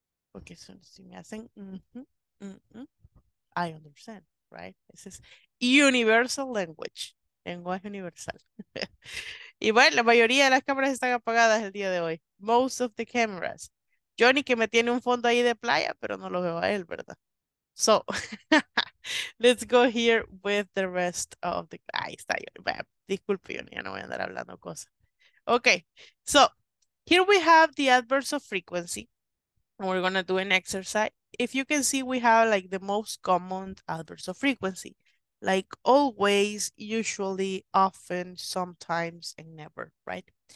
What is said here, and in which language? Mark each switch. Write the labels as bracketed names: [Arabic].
[Spanish] Porque si me hacen, [English] I understand, right? This is universal language, [Spanish] lenguaje universal. Y bueno, la mayoría de las cámaras están apagadas el día de hoy. [English] Most of the cameras. [Spanish] Johnny que me tiene un fondo ahí de playa, pero no lo veo a él, ¿verdad? [English] So, let's go here with the rest of the... [Spanish] Ahí está, disculpe, ya no voy a andar hablando cosas. [English] Okay, so, here we have the adverbs of frequency. We're going to do an exercise. If you can see, we have like the most common adverbs of frequency. Like always, usually, often, sometimes, and never, right?